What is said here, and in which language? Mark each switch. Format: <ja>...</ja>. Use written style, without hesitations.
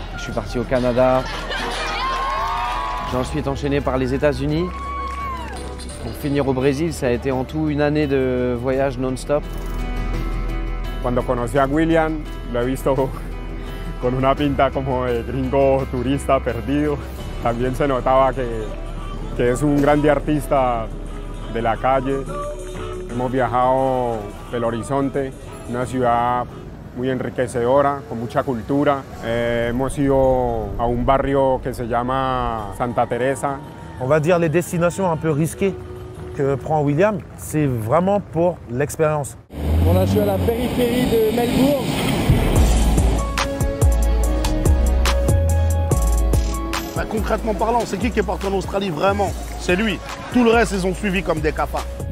<fr>Je suis parti au Canada. J'en suis enchaîné par les États-Unis. Pour finir au Brésil, ça a été en tout une année de voyage non-stop. Quand j'ai connu William, je l'ai vu avec une pinta comme un gringo turiste perdu.</fr> <es>También se notaba que es un grande artista de la calle. Hemos viajado pel horizonte, una ciudad muy enriquecedora, con mucha cultura. Hemos ido a un barrio que se llama Santa Teresa.</es> <fr>On va dire les destinations un peu risquées que prend William, c'est vraiment pour l'expérience. On a joué à la périphérie de Melbourne. Concrètement parlant, c'est qui est parti en Australie vraiment? C'est lui. Tout le reste, ils ont suivi comme des cafards.</fr>